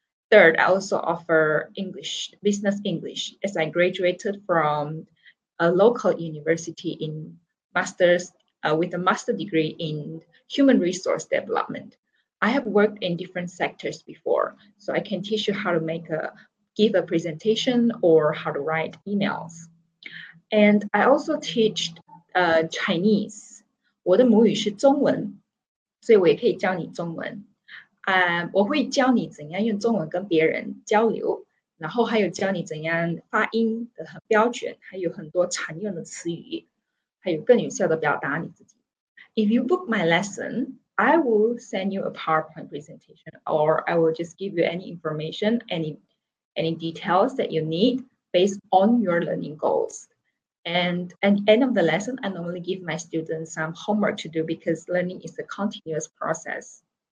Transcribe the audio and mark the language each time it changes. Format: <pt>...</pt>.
<en>Third, I also offer English, business English, as I graduated from a local university in master's with a master's degree in human resource development. I have worked in different sectors before, so I can teach you how to give a presentation or how to write emails. And I also teach Chinese.</en> <zh>我的母语是中文，所以我也可以教你中文。我会教你怎样用中文跟别人交流，然后还有教你怎样发音的很标准，还有很多常用的词语，还有更有效的表达你自己。</zh> <en>If you book my lesson, I will send you a PowerPoint presentation, or I will just give you any information, any details that you need based on your learning goals. And at the end of the lesson, I normally give my students some homework to do because learning is a continuous process.</en>